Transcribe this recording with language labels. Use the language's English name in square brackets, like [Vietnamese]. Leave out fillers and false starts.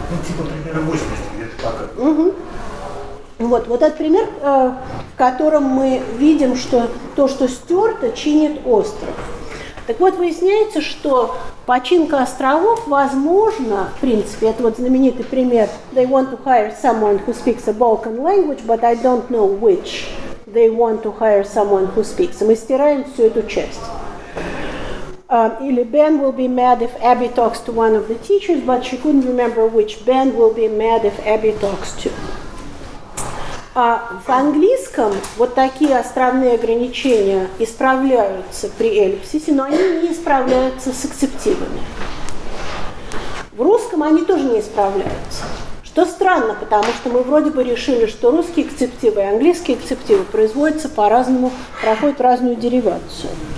[Russian] Ну, типа, примерно 80 лет, пока. Угу. Вот этот пример, в котором мы видим, что то, что стерто, чинит остров. Так вот, выясняется, что починка островов возможна, в принципе, это вот знаменитый пример. [English] They want to hire someone who speaks a Balkan language, but I don't know which. They want to hire someone who speaks. [Russian] Мы стираем всю эту часть. Или [English] Ben will be mad if Abby talks to one of the teachers, but she couldn't remember which Ben will be mad if Abby talks to. [Russian] В английском вот такие островные ограничения исправляются при эллипсисе, но они не исправляются с эксцептивами. В русском они тоже не исправляются. Что странно, потому что мы вроде бы решили, что русские эксцептивы и английские эксцептивы производятся по-разному, проходят разную деривацию.